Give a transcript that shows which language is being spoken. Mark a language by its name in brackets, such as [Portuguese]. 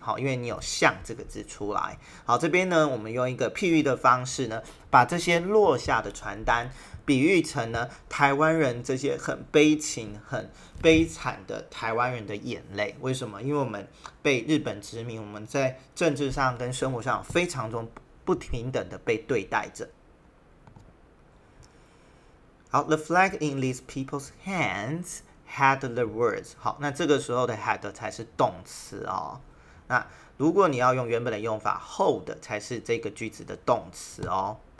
[Chinese] 好，因为你有"像"这个字出来。好，这边呢，我们用一个譬喻的方式呢，把这些落下的传单。比喻成呢，台湾人这些很悲情、很悲惨的台湾人的眼泪，为什么？因为我们被日本殖民，我们在政治上跟生活上非常中不平等的被对待着。 [English] 好，the flag in these people's hands had the words。 [Chinese] 好，那这个时候的 had 才是动词哦。那如果你要用原本的用法，hold 才是这个句子的动词哦。